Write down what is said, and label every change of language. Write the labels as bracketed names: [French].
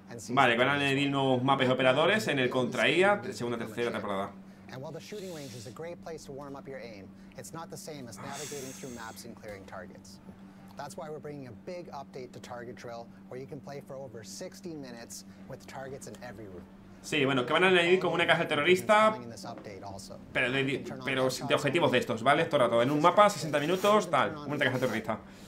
[Spanish] Vale, van a añadir nuevos mapas y operadores en el Contraía, segunda y tercera temporada. [English] And while the shooting range is a great place to warm up your aim, it's not the same as navigating through maps and clearing targets. That's why we're bringing a big update to Target Drill, where you can play for over 60 minutes with targets in every room. [Spanish] Sí, bueno, que van a añadir como una caja terrorista, pero de objetivos de estos, ¿vale? Esto rato, en un mapa, 60 minutos, tal, una caja terrorista.